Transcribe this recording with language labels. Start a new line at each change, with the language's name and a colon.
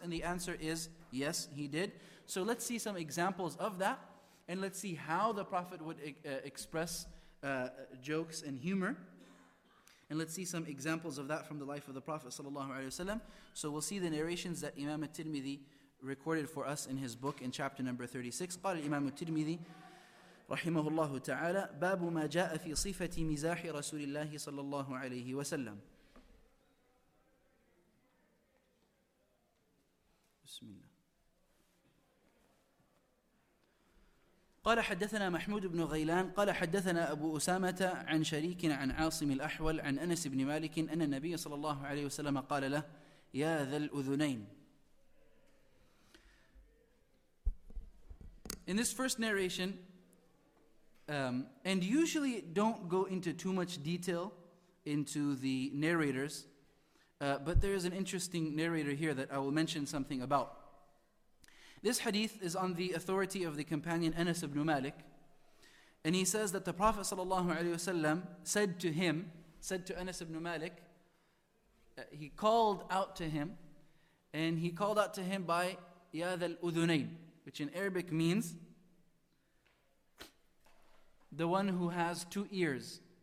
English: And the answer is yes, he did. So let's see some examples of that. And let's see how the Prophet would express jokes and humor. And let's see some examples of that from the life of the Prophet ﷺ. So we'll see the narrations that Imam al-Tirmidhi recorded for us in his book in chapter number 36.
Arabic: قال الإمام الترمذي رحمه الله تعالى باب ما جاء في صفة مزاح رسول الله صلى الله عليه وسلم. بسم الله. قال حدثنا محمود بن غيلان قال حدثنا أبو أسامة عن شريك عن عاصم الأحول عن أنس بن مالك أن النبي صلى الله عليه وسلم قال له يا ذا الأذنين.
English: In this first narration, and usually don't go into too much detail into the narrators, but there is an interesting narrator here that I will mention something about. This hadith is on the authority of the companion Anas ibn Malik, and he says that the Prophet ﷺ said to Anas ibn Malik, he called out to him, and he called out to him by
Arabic: يَا ذَا الْأُذُنَيْنِ,
English: which in Arabic means the one who has two ears.